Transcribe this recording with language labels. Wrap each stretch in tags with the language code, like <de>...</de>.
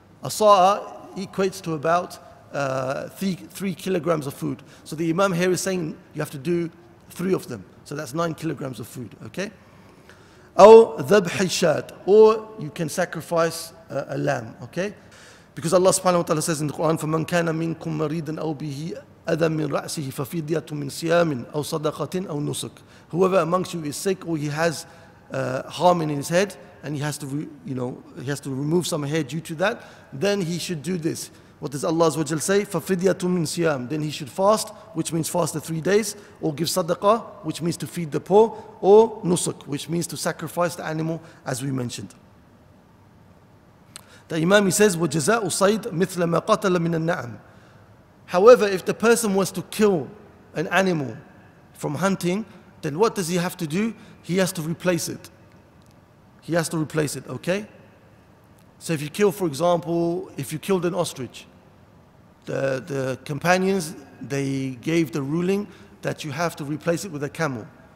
<en>Asa'a equates to about 3 kilograms of food. So the imam here is saying you have to do three of them. So that's 9 kilograms of food, okay?</en> <ar>أو ذبح الشاة,</ar> <en>or you can sacrifice a lamb, okay? Because Allah subhanahu wa ta'ala says in the Quran,</en> <ar>فَمَنْ كَانَ مِنْكُمْ مَرِيدًا أَوْ بِهِ أَذَى مِنْ رَأْسِهِ فَفِدْيَةٌ مِنْ صِيَامٍ أَوْ صَدَقَةٍ أَوْ نُسُكٍ.</ar> <en>Whoever amongst you is sick, or he has harm in his head, and he has to, he has to remove some hair due to that, then he should do this. What does Allah Azawajal say?</en> <ar>فَفِدْيَةٌ مِنْ صِيَامٍ.</ar> <en>Then he should fast, which means fast the 3 days, or give sadaqah, which means to feed the poor, or nusuk, which means to sacrifice the animal, as we mentioned. The imam, he says,</en> <ar>وَجَزَاءُ صَيْدٍ مِثْلَ مَا قَتَلَ مِنَ النَّعَمِ.</ar> <en>However, if the person wants to kill an animal from hunting, then what does he have to do? He has to replace it. He has to replace it, okay? So if you kill, for example, if you killed an ostrich, the companions, they gave the ruling that you have to replace it with a camel.</en>